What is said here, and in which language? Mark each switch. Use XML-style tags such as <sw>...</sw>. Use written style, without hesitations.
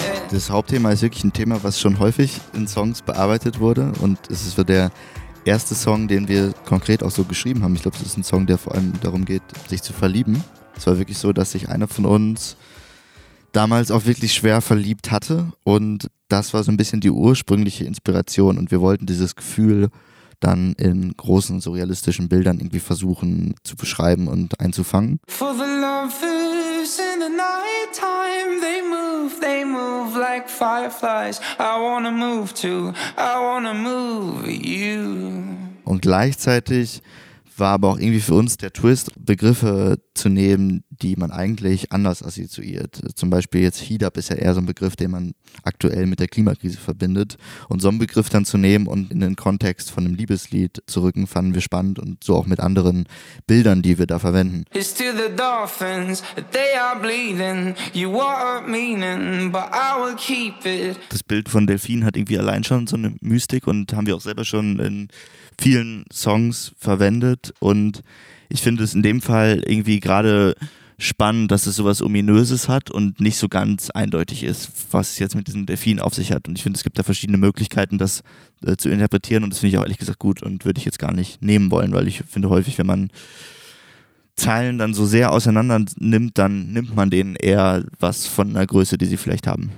<de>Das Hauptthema ist wirklich ein Thema, was schon häufig in Songs bearbeitet wurde und es ist so der erste Song, den wir konkret auch so geschrieben haben. Ich glaube, es ist ein Song, der vor allem darum geht, sich zu verlieben. Es war wirklich so, dass sich einer von uns damals auch wirklich schwer verliebt hatte und das war so ein bisschen die ursprüngliche Inspiration und wir wollten dieses Gefühl dann in großen, surrealistischen Bildern irgendwie versuchen zu beschreiben und einzufangen.</de> <en>For the lovers in the night time, they move like like fireflies. I wanna move to, I wanna move you.</en> <de>Und gleichzeitig war aber auch irgendwie für uns der Twist, Begriffe zu nehmen, die man eigentlich anders assoziiert. Zum Beispiel jetzt Heat Up ist ja eher so ein Begriff, den man aktuell mit der Klimakrise verbindet. Und so einen Begriff dann zu nehmen und in den Kontext von einem Liebeslied zu rücken, fanden wir spannend und so auch mit anderen Bildern, die wir da verwenden.</de> <en>It's to the dolphins, they are bleeding, you were meaning, but I will keep it.</en> <de>Das Bild von Delfinen hat irgendwie allein schon so eine Mystik und haben wir auch selber schon in vielen Songs verwendet. Und ich finde es in dem Fall irgendwie gerade spannend, dass es sowas Ominöses hat und nicht so ganz eindeutig ist, was es jetzt mit diesem Delfin auf sich hat. Und ich finde, es gibt da verschiedene Möglichkeiten, das zu interpretieren. Und das finde ich auch ehrlich gesagt gut und würde ich jetzt gar nicht nehmen wollen, weil ich finde häufig, wenn man Zeilen dann so sehr auseinander nimmt, dann nimmt man denen eher was von einer Größe, die sie vielleicht haben.</de>